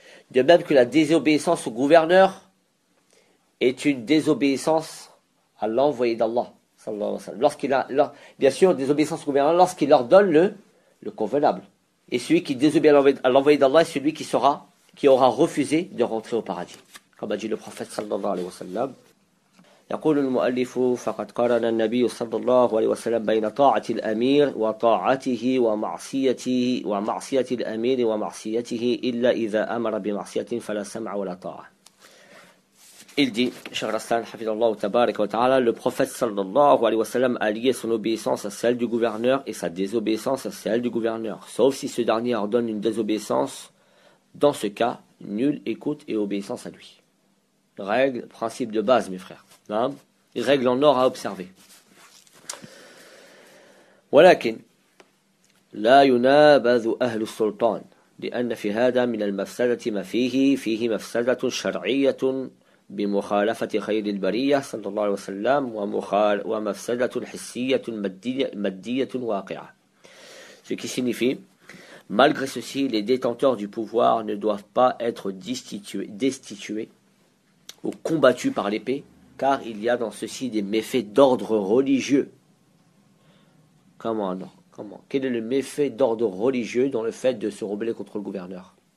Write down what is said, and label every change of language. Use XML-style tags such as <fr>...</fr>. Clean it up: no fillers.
<fr>De même que la désobéissance au gouverneur est une désobéissance à l'envoyé d'Allah, sallallahu alayhi wa sallam. Lorsqu'il a, bien sûr, désobéissance au gouverneur, lorsqu'il leur donne le convenable. Et celui qui désobéit à l'envoyé d'Allah est celui qui aura refusé de rentrer au paradis. Comme a dit le prophète, sallallahu alayhi wa sallam.</fr> <ar>يقول المؤلف فقد قرن النبي صلى الله عليه وسلم بين طاعة الأمير وطاعته ومعصيته ومعصية الأمير ومعصيته إلا إذا أمر بمعصية فلا سمع ولا طاعة.</ar> <fr>Il dit, cher Rastan,</fr> <ar>Hafidallah wa tabarak wa ta'ala,</ar> <fr>le prophète sallallahu alayhi wa sallam a lié son obéissance à celle du gouverneur et sa désobéissance à celle du gouverneur. Sauf si ce dernier ordonne une désobéissance, dans ce cas, nulle écoute et obéissance à lui. Règle, principe de base, mes frères. Règle en or à observer.</fr> <ar>Walakin, la yunabazu ahlu sultan, li'anna fi hada min al-mafsadati ma fihi mafsadatun shar'iyyatun. بمخالفة خير البرية صلى الله عليه وسلم ومفسدة حسية مادية واقعة.</ar> <fr>Ce qui signifie, malgré ceci, les détenteurs du pouvoir ne doivent pas être destitués ou combattus par l'épée, car il y a dans ceci des méfaits d'ordre religieux. Comment? Quel est le méfait d'ordre religieux dans le fait de se rebeller contre le gouverneur?</fr>